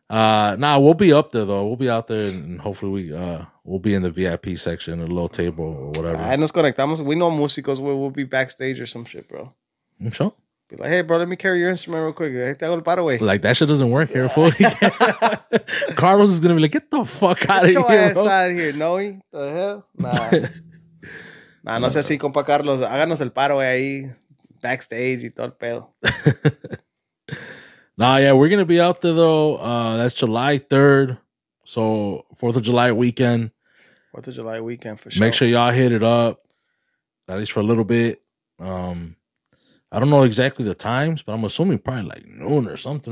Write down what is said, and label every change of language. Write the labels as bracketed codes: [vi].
[en] Nah, we'll be up there, though. We'll be out there, and hopefully we'll be in the VIP section, a little table or whatever. [es] Ah, nos conectamos. [en] We know músicos. We'll be backstage or some shit, bro. You sure? Be like, hey, bro, let me carry your instrument real quick. Hey, tell it, by the way. Like, that shit doesn't work here, fool. Carlos is going to be like, get the fuck out of here, ass out of here, no, he? The hell? Nah. [es] Nah, no sé si, compa Carlos. Háganos el paro ahí, backstage y todo el pedo. [en] Nah, yeah, we're gonna be out there though. That's July 3rd, so 4th of July weekend. 4th of July weekend for sure. Make sure y'all hit it up at least for a little bit. I don't know exactly the times, but I'm assuming probably like noon or something.